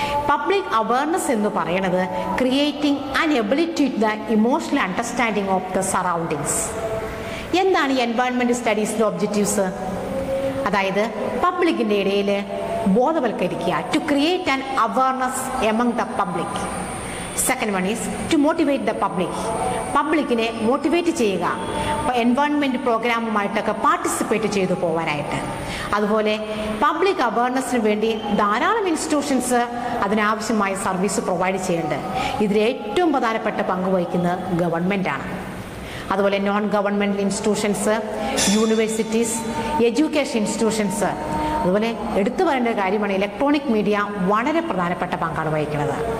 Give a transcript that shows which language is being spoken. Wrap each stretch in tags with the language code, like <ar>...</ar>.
<en>Public awareness എന്ന് പറയുന്നത് creating an ability to the emotional understanding of the surroundings.</en> <ml>എന്താണ് environment സ്റ്റഡീസിൻ്റെ objectives? അതായത് പബ്ലിക്കിൻ്റെ ഇടയിൽ ബോധവൽക്കരിക്കുക,</ml> <en>To create an awareness among the public. Second one is to motivate the public.</en> <ml>പബ്ലിക്കിനെ motivate ചെയ്യുക environment പ്രോഗ്രാമുമായിട്ടൊക്കെ participate ചെയ്തു പോകാനായിട്ട്. അതുപോലെ public അവേർനെസ്സിന് വേണ്ടി ധാരാളം ഇൻസ്റ്റിറ്റ്യൂഷൻസ് അതിനാവശ്യമായ സർവീസ് പ്രൊവൈഡ് ചെയ്യേണ്ടത്. ഇതിൽ ഏറ്റവും പ്രധാനപ്പെട്ട പങ്ക് വഹിക്കുന്നത് ഗവൺമെൻറ്റാണ്. അതുപോലെ non governmental institutions, universities, education institutions, അതുപോലെ എടുത്തു പറയേണ്ട കാര്യമാണ് ഇലക്ട്രോണിക് മീഡിയ വളരെ പ്രധാനപ്പെട്ട പങ്കാണ് വഹിക്കുന്നത്.</ml>